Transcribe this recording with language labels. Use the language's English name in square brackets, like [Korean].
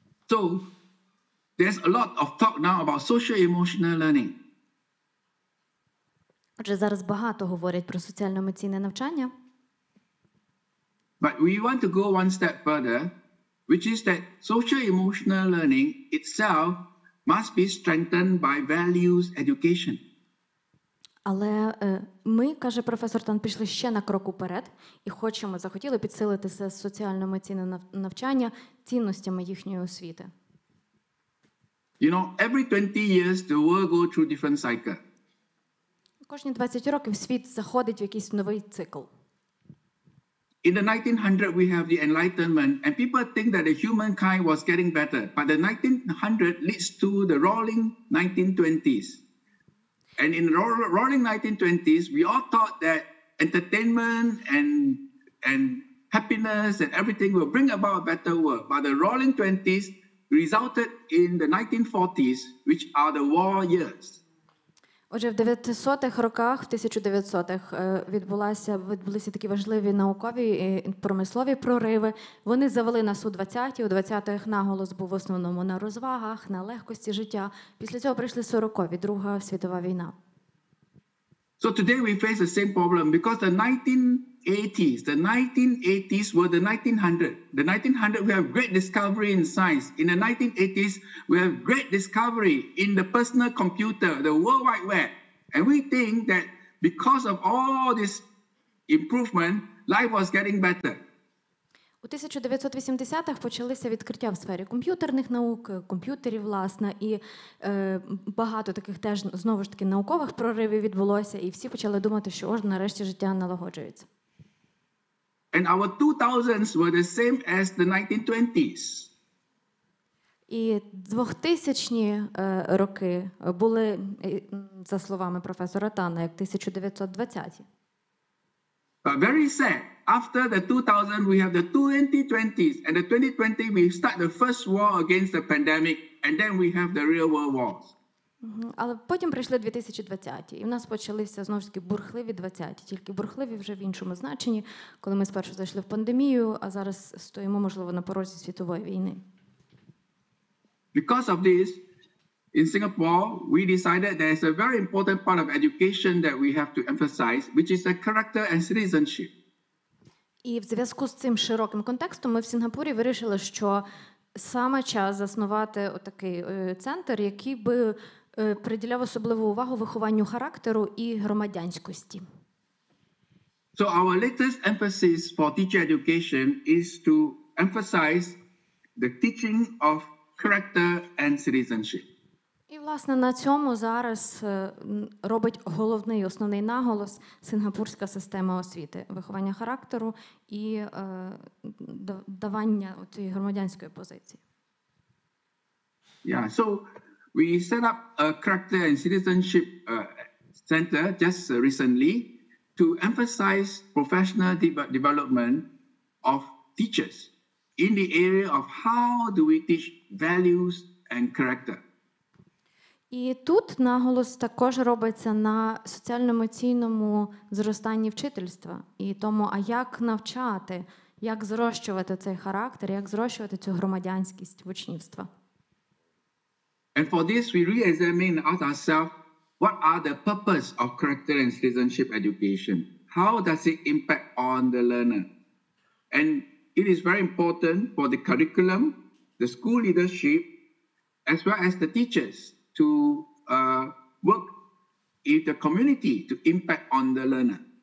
[English] So, there's a lot of talk now about social-emotional learning. [Ukrainian] Отже, зараз багато говорять про соціально-емоційне навчання. [English] But we want to go one step further, which is that social-emotional learning itself must be strengthened by values education. [Ukrainian] Але ми, каже професор Тан, пішли ще на крок уперед і хочемо, захотіли підсилити це соціально-емоційне навчання цінностями їхньої освіти. [English] You know, every 20 years the world goes through different cycle. [Ukrainian] Кожні 20 років світ заходить в якийсь новий цикл. [English] In the 1900 we have the Enlightenment and people think that the humankind was getting better, but the 1900 leads to the roaring 1920s. And in the roaring 1920s we all thought that entertainment and happiness and everything will bring about a better world, but the roaring 20s resulted in the 1940s, which are the war years. [Ukrainian] Отже, в 900-х роках, в 1900-х відбулися такі важливі наукові і промислові прориви. Вони завели нас у 20-ті. У 20-х наголос був в основному на розвагах, на легкості життя. Після цього прийшли 40-ві, Друга світова війна. [English] So today we face the same problem because the 1980s, the 1980s were the 1900. The 1900 we have great discovery in science. In the 1980s we have great discovery in the personal computer, the World Wide Web. And we think that because of all this improvement, life was getting better. [Ukrainian] У 1980-х почалися відкриття в сфері комп'ютерних наук, комп'ютерів, власне, і багато таких теж, знову ж таки, наукових проривів відбулося, і всі почали думати, що ось нарешті життя налагоджується. [English] And our 2000s were the same as the 1920s. [Ukrainian] І 2000-ні роки були, за словами професора Тана, як 1920-ті. [English] But very sad. After the 2000, we have the 2020s, and the 2020, we start the first war against the pandemic, and then we have the real world wars. [Ukrainian] Але потім прийшли 2020-ті, і в нас почалися, знову ж таки, бурхливі 20-ті, тільки бурхливі вже в іншому значенні, коли ми спершу зайшли в пандемію, а зараз стоїмо, можливо, на порозі світової війни. [English] Because of this, in Singapore, we decided there is a very important part of education that we have to emphasize, which is the character and citizenship. [Ukrainian] І в зв'язку з цим широким контекстом ми в Сінгапурі вирішили, що саме час заснувати отакий центр, який би приділяв особливу увагу вихованню характеру і громадянськості. [English] So our latest emphasis for teacher education is to emphasize the teaching of character and citizenship. [Ukrainian] І, власне, на цьому зараз робить головний, основний наголос сингапурська система освіти – виховання характеру і давання цієї громадянської позиції. [English] Yeah, so we set up a character and citizenship center just recently to emphasize professional development of teachers in the area of how do we teach values and character. [Ukrainian] І тут наголос також робиться на соціально-емоційному зростанні вчительства і тому, а як навчати, як зрощувати цей характер, як зрощувати цю громадянськість учнівства. [English] And for this we re-examine ourselves, what are the purpose of character and citizenship education? How does it impact on the learner? And it is very important for the curriculum, the school leadership, as well as the teachers to work in the community to impact on the learner.